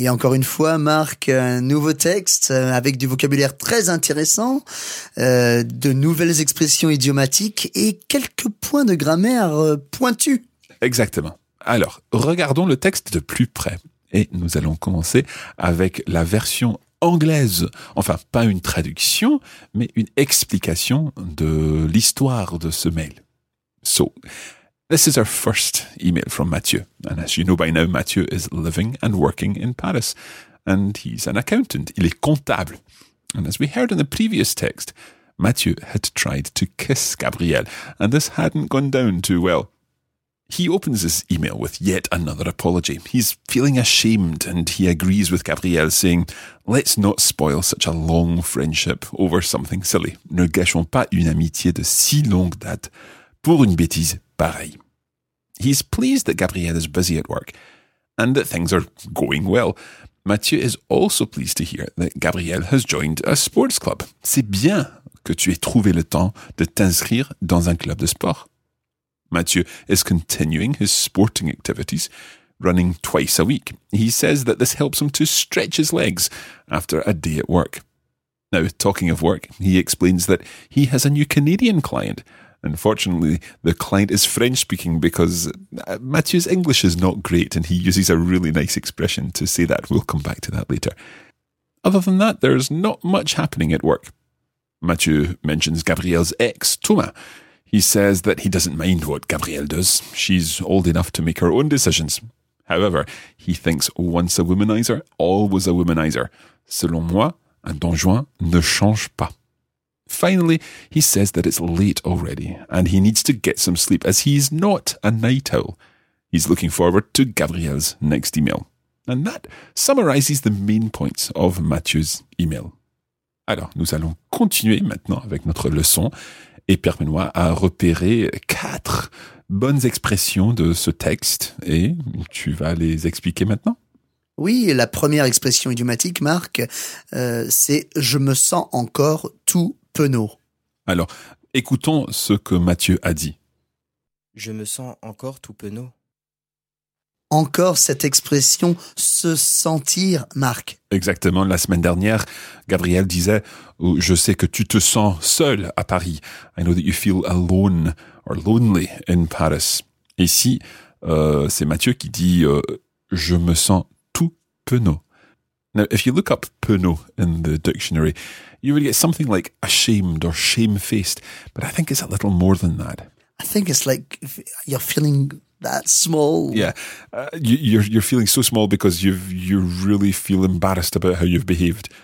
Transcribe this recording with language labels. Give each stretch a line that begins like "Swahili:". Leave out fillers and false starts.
French: Et encore une fois, Marc, un nouveau texte avec du vocabulaire très intéressant, de nouvelles expressions idiomatiques et quelques points de grammaire pointus. Exactement. Alors, regardons le texte de plus près. Et nous allons commencer avec la version anglaise. Enfin, pas une traduction, mais une explication de l'histoire de ce mail.
English: So, this is our first email from Mathieu. And as you know by now, Mathieu is living and working in Paris. And he's an accountant.
French: Il est comptable.
English: And as we heard in the previous text, Mathieu had tried to kiss Gabrielle. And this hadn't gone down too well. He opens his email with yet another apology. He's feeling ashamed and he agrees with Gabrielle, saying, let's not spoil such a long friendship over something silly.
French: Ne gâchons pas une amitié de si longue date pour une bêtise pareille.
English: He's pleased that Gabrielle is busy at work and that things are going well. Mathieu is also pleased to hear that Gabrielle has joined a sports club.
French: C'est bien que tu aies trouvé le temps de t'inscrire dans un club de sport.
English: Mathieu is continuing his sporting activities, running twice a week. He says that this helps him to stretch his legs after a day at work. Now, talking of work, he explains that he has a new Canadian client. Unfortunately, the client is French-speaking because Mathieu's English is not great and he uses a really nice expression to say that. We'll come back to that later. Other than that, there's not much happening at work. Mathieu mentions Gabrielle's ex, Thomas. He says that he doesn't mind what Gabrielle does. She's old enough to make her own decisions. However, he thinks once a womanizer, always a womanizer.
French: Selon moi, un donjon ne change pas.
English: Finally, he says that it's late already and he needs to get some sleep as he's not a night owl. He's looking forward to Gabrielle's next email. And that summarizes the main points of Mathieu's email.
French: Alors, nous allons continuer maintenant avec notre leçon. Et permets-moi à repérer quatre bonnes expressions de ce texte. Et tu vas les expliquer maintenant? Oui, la première expression idiomatique, Marc, c'est « je me sens encore tout penaud ». Alors, écoutons ce que Mathieu a dit. « Je me sens encore tout penaud ». Encore cette expression « se sentir », Marc. Exactement. La semaine dernière, Gabrielle disait « Je sais que tu te sens seul à Paris.
English: I know that you feel alone or lonely in Paris. »
French: Ici, c'est Mathieu qui dit « Je me sens tout penaud ».
English: Now, if you look up penaud in the dictionary, you will get something like ashamed or shamefaced. But I think it's a little more than that. I think it's like you're feeling that small. Yeah, you're feeling so small because you really feel embarrassed about how you've behaved.